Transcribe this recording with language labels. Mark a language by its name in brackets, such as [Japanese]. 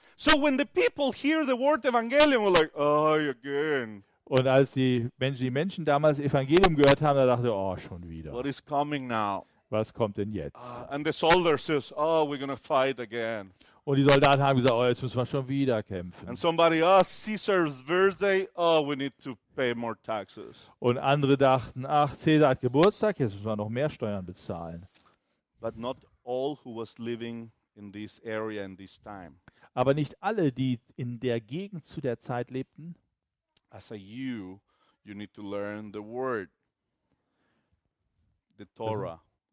[English] So when the people hear the word Evangelion, we're like, oh, again. [German] Und als die Menschen damals Evangelium gehört haben, da dachte ich, oh, schon wieder. [English] What is coming now? [German] Was kommt denn jetzt? [English] And the soldier says, oh, we're gonna fight again. [German] Und die Soldaten haben gesagt, oh, jetzt müssen wir schon wieder kämpfen. [English] And somebody, oh, Caesar's birthday, oh, we need to pay more taxes. [German] Und andere dachten, ach, Caesar hat Geburtstag, jetzt müssen wir noch mehr Steuern bezahlen. [English] But not all who was living in this area in this time. [German] Aber nicht alle, die in der Gegend zu der Zeit lebten. [English] As a you need to learn the word, the Torah.